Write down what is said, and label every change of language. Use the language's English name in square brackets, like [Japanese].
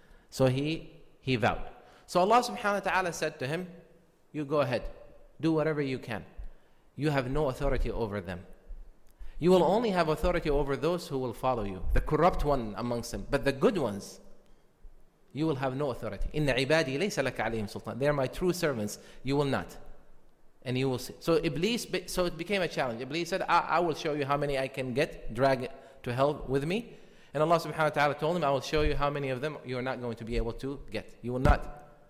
[English] So he vowed. So Allah subhanahu wa ta'ala said to him, you go ahead, do whatever you can. You have no authority over them. You will only have authority over those who will follow you, the corrupt one amongst them. But the good ones, you will have no authority. [Arabic] إِنَّ عِبَادِي لَيْسَ لَكَ عَلَيْهِمْ سُلْطَانٍ [English] They are my true servants. You will not. And you will see. So Iblis, so it became a challenge. Iblis said, I will show you how many I can get, drag to hell with me. And Allah subhanahu wa ta'ala told him, I will show you how many of them you are not going to be able to get. You will not.